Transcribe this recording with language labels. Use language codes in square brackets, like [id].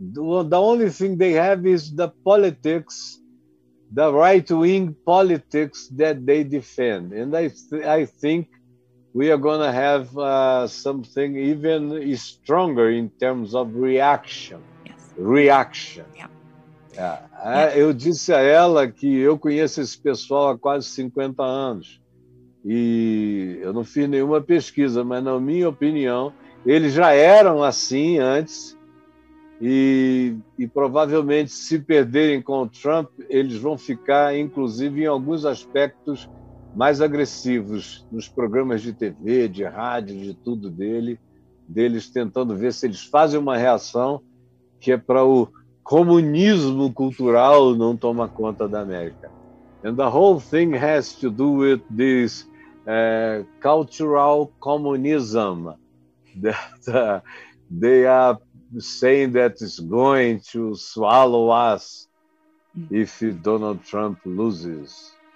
[en] The only thing they have is the politics, the right-wing politics that they defend. And I think we are going to have something even stronger in terms of reaction. Yes. Reaction. Yeah. Yeah. Yeah. [pt] Eu disse a ela que eu conheço esse pessoal há quase 50 anos. E eu não fiz nenhuma pesquisa, mas na minha opinião, eles já eram assim antes e provavelmente se perderem com o Trump, eles vão ficar, inclusive, em alguns aspectos mais agressivos nos programas de TV, de rádio, de tudo deles tentando ver se eles fazem uma reação que é para o comunismo cultural não tomar conta da América. [en] And the whole thing has to do with this cultural communism that they are saying that is going to swallow us if Donald Trump loses.